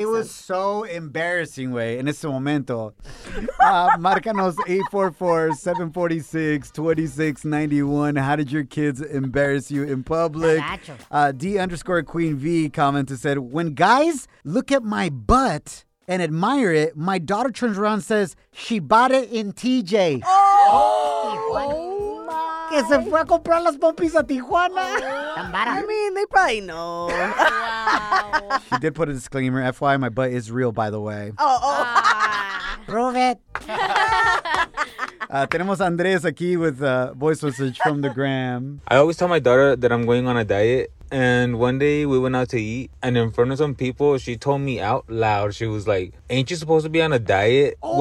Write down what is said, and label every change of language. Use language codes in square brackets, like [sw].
[en] sense. It was so embarrassing, way, [es] en ese momento. Márcanos [en] 844-746-2691. How did your kids embarrass you in public? D_QueenV commented, said, when guys look at my butt and admire it, my daughter turns around and says, she bought it in TJ. Oh! [es] Que se fue a comprar las pompis a Tijuana. [en] I mean, they probably know. Wow. She did put a disclaimer. FYI, my butt is real, by the way. Prove it. [es] Tenemos a Andres aquí [en] with a voice message from the gram. I always tell my daughter that I'm going on a diet. And one day we went out to eat, and in front of some people, she told me out loud, she was like, ain't you supposed to be on a diet? Oh.